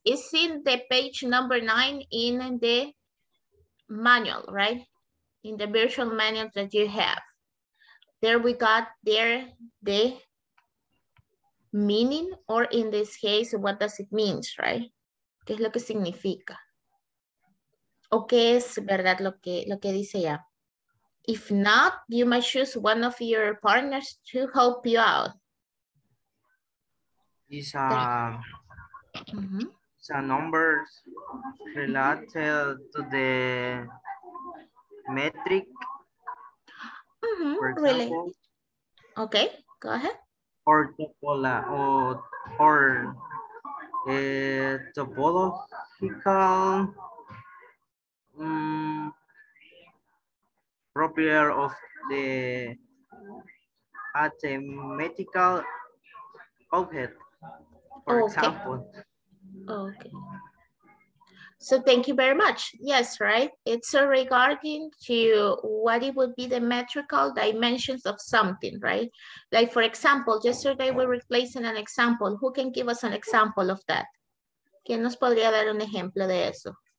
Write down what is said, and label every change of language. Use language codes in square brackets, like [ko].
[en] It's in the page number 9 in the manual, right? In the virtual manual that you have. There we got there the meaning, or in this case, what does it mean, right? [es] ¿Qué es lo que significa? ¿O qué es, verdad, lo que dice ya? [en] If not, you might choose one of your partners to help you out. It's a, it's a number related to the metric. Really? Okay, go ahead. Or topola, or topological property of the mathematical object, for example. Okay. So thank you very much. Yes, right? It's regarding to what it would be the metrical dimensions of something, right? Like, for example, yesterday we were replacing an example. Who can give us an example of that? [es] ¿Quién nos podría dar un ejemplo de eso?